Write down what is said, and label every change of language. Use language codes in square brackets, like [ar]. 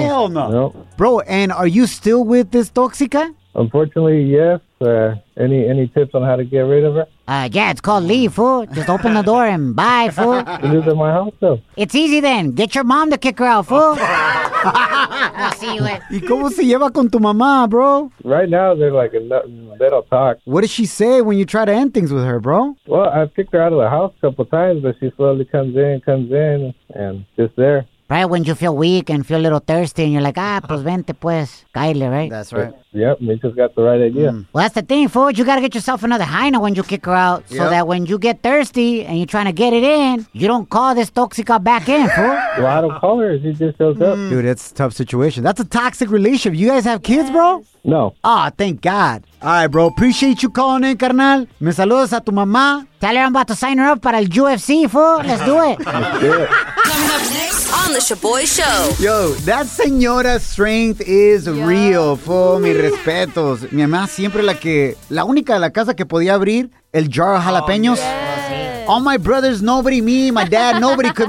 [en] Hell no. Nope. Bro, and are you still with this toxica? Unfortunately, yes. Any tips on how to get rid of her? Yeah, it's called leave, fool. Just open the door and bye, fool. It is at my house, though. It's easy, then. Get your mom to kick her out, fool. [es] ¿Y cómo se lleva con tu mamá, bro? [en] Right now, they're like, they don't talk. What does she say when you try to end things with her, bro? Well, I've kicked her out of the house a couple times, but she slowly comes in, and just there. Right when you feel weak and feel a little thirsty and you're like, pues vente pues, caile, right? That's right. Yep, me just got the right idea. Mm. Well, that's the thing, fool. You got to get yourself another hyena when you kick her out so that when you get thirsty and you're trying to get it in, you don't call this toxica back in, fool. Well, I don't call her. She just shows up. Dude, it's a tough situation. That's a toxic relationship. You guys have kids, bro? No. Thank God. All right, bro. Appreciate you calling in, carnal. Me saludas a tu mamá. Tell her I'm about to sign her up para el UFC, fool. Let's do it. Let's do it. The Sha'Boy Show. Yo, that señora strength is real, fool. [es] Mis respetos. Mi mamá siempre la única de la casa que podía abrir el jar of jalapeños. [en] Oh, yes. All my brothers, nobody, me, my dad, nobody could.